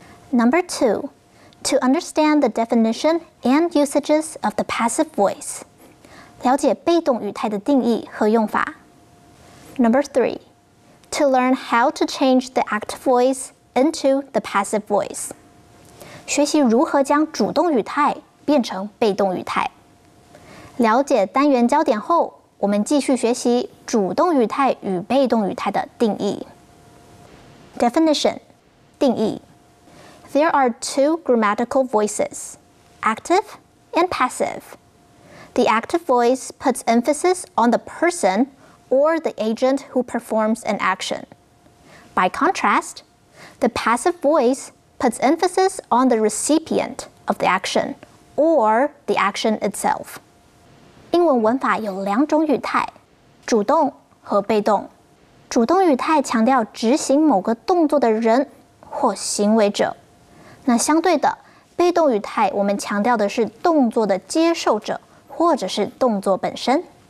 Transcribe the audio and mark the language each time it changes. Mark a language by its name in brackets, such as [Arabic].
[English] Number two,To understand the definition and usages of the passive voice. [Chinese] 了解被动语态的定义和用法。 [English] Number three, to learn how to change the active voice into the passive voice. [Chinese] 学习如何将主动语态变成被动语态。了解单元焦点后，我们继续学习主动语态与被动语态的定义。 Definition, 定义。 [English] There are two grammatical voices, active and passive. The active voice puts emphasis on the person or the agent who performs an action. By contrast, the passive voice puts emphasis on the recipient of the action or the action itself. [Chinese] 英文文法有两种语态，主动和被动。主动语态强调执行某个动作的人或行为者。那相对的，被动语态我们强调的是动作的接受者或者是动作本身。